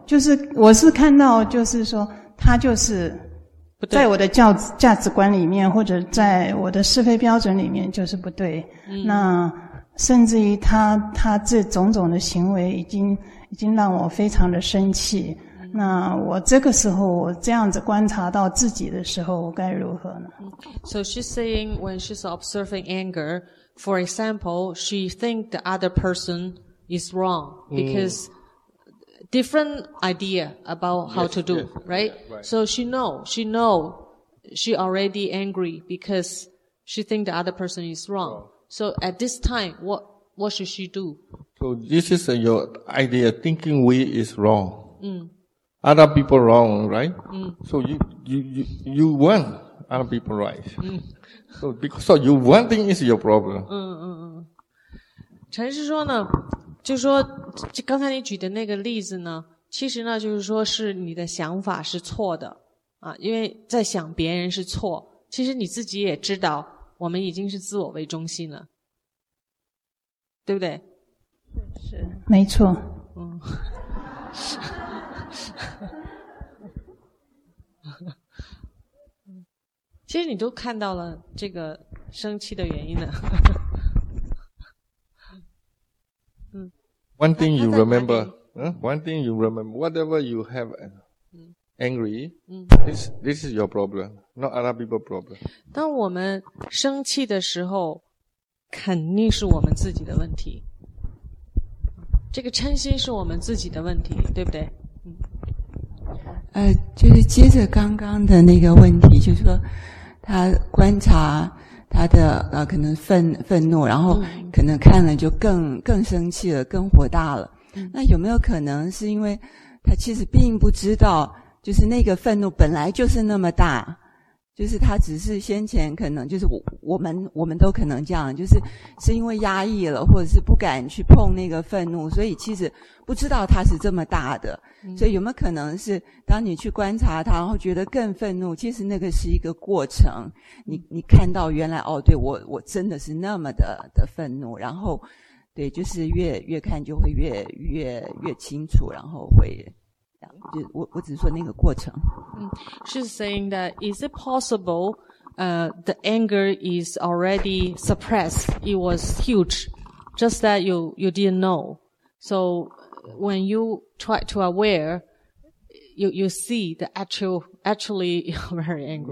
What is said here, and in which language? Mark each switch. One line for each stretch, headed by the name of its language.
Chinese: 就是我是看到，就是说他就是在我的价值观里面，或者在我的是非标准里面，就是不对。那甚至于他这种种的行为已经让我非常的生气。那我这个时候我这样子观察到自己的时候，我该如何呢？
English: So she's saying when she's observing anger, for example, she thinks the other person is wrong because different idea about how to do, right? Yeah, right. So she know she already angry because she think the other person is wrong. So at this time, what should she do? So this is your idea, thinking we is wrong. Mm. Other people wrong, right? Mm. So you want other people right. Mm. So because of you wanting is your problem.
Chinese: 陈师说呢，就说就刚才你举的那个例子呢，其实呢就是说是你的想法是错的啊，因为在想别人是错，其实你自己也知道我们已经是自我为中心了，对不对？是没错。嗯。其实你都看到了这个生气的原因了。
English: One thing you remember, one thing you remember, whatever you have angry, this is your problem, not other people's problem.
Chinese: 当我们生气的时候，肯定是我们自己的问题。这个嗔心是我们自己的问题，对不对？就是接着刚刚的那个问题，就是说他观察他的可能愤怒，然后可能看了就更生气了，更火大了。那有没有可能是因为他其实并不知道，就是那个愤怒本来就是那么大，就是他只是先前可能就是我们都可能这样，就是因为压抑了，或者是不敢去碰那个愤怒，所以其实不知道他是这么大的。所以有没有可能是当你去观察他，然后觉得更愤怒，其实那个是一个过程，你看到原来哦，对，我真的是那么的愤怒，然后对，就是越看就会越清楚，然后会。我只是说那个过程。
English: She's saying that is it possible, the anger is already suppressed. It was huge, just that you didn't know. So when you try to aware, you see the actually you're very angry.